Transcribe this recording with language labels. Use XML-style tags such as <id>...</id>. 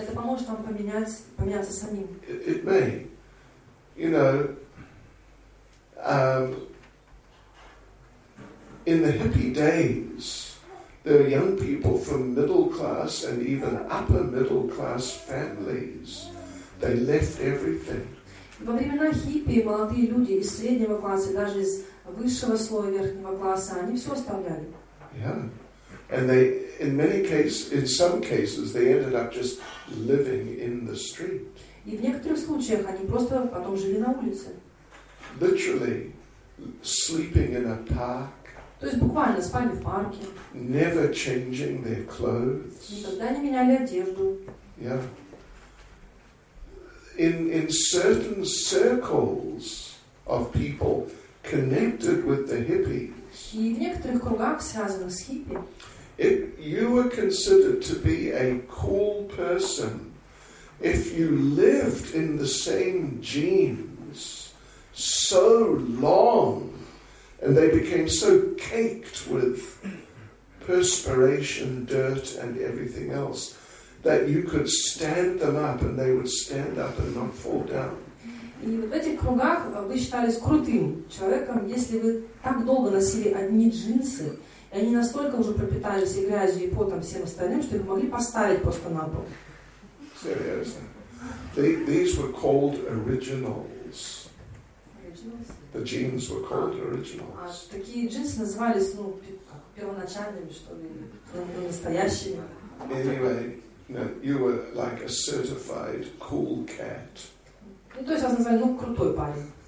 <ru>Это поможет вам поменяться самим.</ru> <en>It may. You know, in the hippie days, there are young people from middle class and even upper middle class families. They left everything.</en> <ru>Во времена хиппи молодые люди из среднего класса, даже из высшего слоя верхнего класса, они все оставляли.</ru> <en>Yeah. And they, in some cases, they ended up just living in the street.</en> <ru>И в некоторых случаях они просто потом жили на улице.</ru> <en>Literally, sleeping in a park.</en> <ru>То есть буквально спали в парке.</ru> <en>Never changing their clothes.</en> <ru>Никогда не меняли одежду.</ru> <en>Yeah. In certain circles of people connected with the hippies.</en> <ru>И в некоторых кругах, связанных с хиппи.</ru> <en>If you were considered to be a cool person, if you lived in the same genes so long, and they became so caked with perspiration, dirt, and everything else, that you could stand them up and they would stand up and not fall down.</en> <ru>И в этих кругах вы считались крутым человеком, если вы так долго носили одни джинсы, и они настолько уже пропитались и грязью, и потом всем остальным, что их могли поставить просто на пол.</ru> <en>Seriously. These were called originals. The jeans were called originals.</en> <ru>Такие джинсы назывались, первоначальными, что ли, настоящими.</ru> <en>Anyway, you were like a certified cool cat.</en> <ru>Ну, то есть вас назвали, крутой парень.</ru>